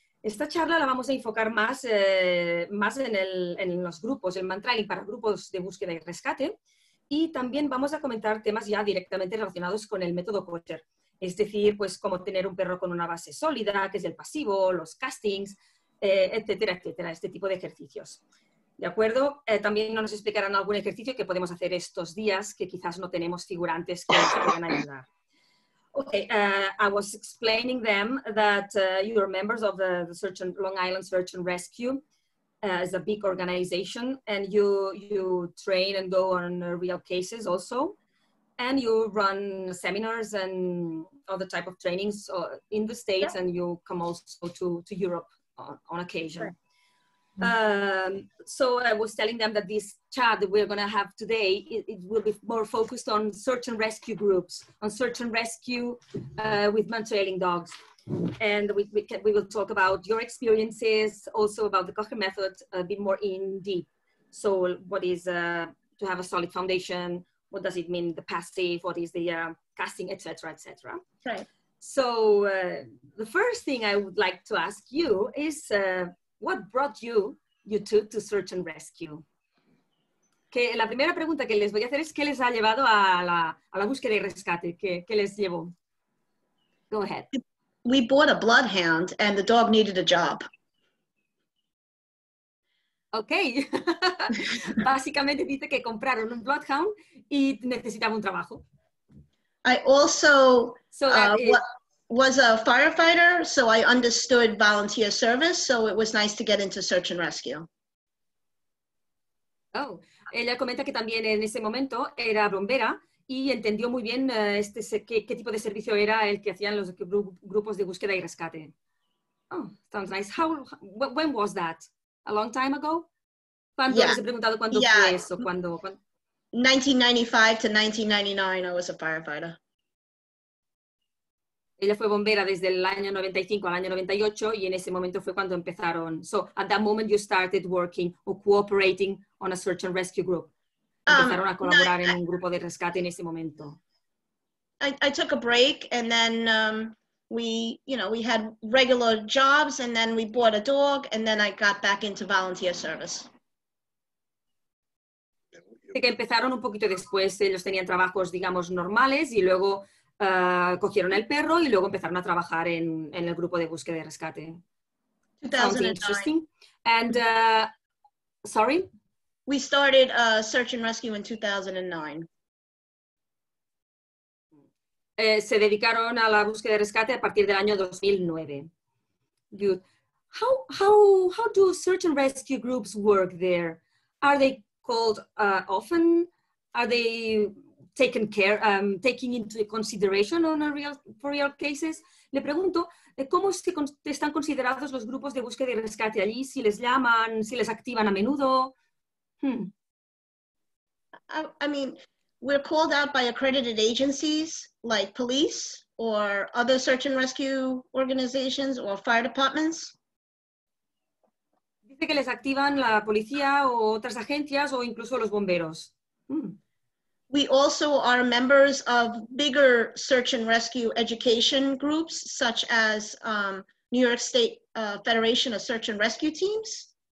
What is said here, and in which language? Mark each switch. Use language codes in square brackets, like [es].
[es] Esta charla la vamos a enfocar más en los grupos, el mantrailing para grupos de búsqueda y rescate, y también vamos a comentar temas ya directamente relacionados con el método kosher, es decir, pues cómo tener un perro con una base sólida, que es el pasivo, los castings, etcétera, etcétera, este tipo de ejercicios. ¿De acuerdo? También nos explicarán algún ejercicio que podemos hacer estos días que quizás no tenemos figurantes que nos puedan ayudar. [en] Okay, I was explaining them that you are members of the Search and Long Island Search and Rescue. It's a big organization and you train and go on real cases also. And you run seminars and other type of trainings in the States and you come also to Europe on occasion. Sure. So I was telling them that this chat that we're going to have today, it will be more focused on search and rescue groups, on search and rescue with mantrailing dogs. And we will talk about your experiences, also about the Kocher method, a bit more in deep. So what is to have a solid foundation? What does it mean, the passive? What is the casting, etc., etc.? Right. So the first thing I would like to ask you is... what brought you two to search and rescue? [es] Que la primera pregunta que les voy a hacer es qué les ha llevado a la búsqueda y rescate. ¿Qué les llevó? [en] Go ahead. We bought a bloodhound and the dog needed a job. Okay. [es] Básicamente dice que compraron un bloodhound y necesitaba un trabajo. [en] I also was a firefighter, so I understood volunteer service, so it was nice to get into search and rescue. [es] Oh, ella comenta que también en ese momento era bombera y entendió muy bien qué tipo de servicio era el que hacían los grupos de búsqueda y rescate. [en] Oh, sounds nice. When was that? A long time ago? [es] ¿Cuándo les he preguntado cuándo fue eso? ¿Cuándo? [en] 1995 to 1999, I was a firefighter. [es] Ella fue bombera desde el año 95 al año 98 y en ese momento fue cuando empezaron. [en] So, at that moment you started working or cooperating on a search and rescue group. [es] Empezaron a colaborar en un grupo de rescate en ese momento. [en] I took a break and then we had regular jobs and then we bought a dog and then I got back into volunteer service. [es] Sé que empezaron un poquito después, ellos tenían trabajos, digamos, normales y luego cogieron el perro y luego empezaron a trabajar en el grupo de búsqueda y rescate. [en] 2009. And, sorry? We started search and rescue in 2009. [es] Se dedicaron a la búsqueda y rescate a partir del año 2009. [en] How do search and rescue groups work there? Are they called often? Are they taken care, taking into consideration on a real cases? [es] Le pregunto, ¿cómo están considerados los grupos de búsqueda y rescate allí? ¿Si les llaman? ¿Si les activan a menudo? [en] I mean, we're called out by accredited agencies like police or other search and rescue organizations or fire departments. [es] Dice que les activan la policía o otras agencias o incluso los bomberos. [en] We also are members of bigger search and rescue education groups, such as New York State Federation of Search and Rescue Teams.